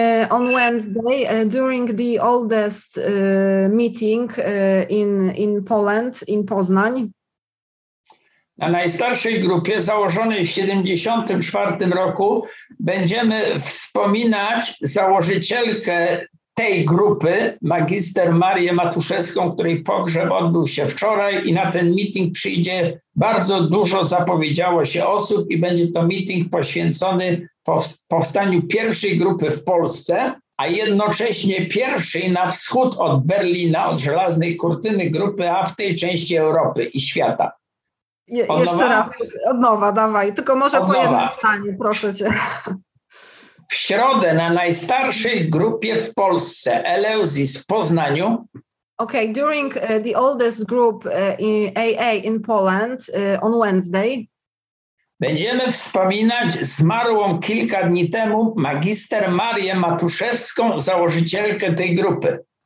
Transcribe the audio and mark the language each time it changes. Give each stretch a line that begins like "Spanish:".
English: On Wednesday, during the oldest meeting in Poland, in Poznań.
Polish: Na najstarszej grupie, założonej w 1974 roku, będziemy wspominać założycielkę tej grupy, magister Marię Matuszewską, której pogrzeb odbył się wczoraj, i na ten meeting przyjdzie bardzo dużo, zapowiedziało się, osób, i będzie to meeting poświęcony powstaniu pierwszej grupy w Polsce, a jednocześnie pierwszej na wschód od Berlina, od żelaznej kurtyny grupy, a w tej części Europy i świata. Jeszcze raz, od nowa, dawaj, tylko może po jednym zdaniu, proszę cię. W środę na najstarszej grupie w Polsce, Eleusis w Poznaniu.
English: Okay, during the oldest group in AA in Poland on Wednesday.
Polish: Będziemy wspominać zmarłą kilka dni temu magister Marię Matuszewską, założycielkę tej grupy.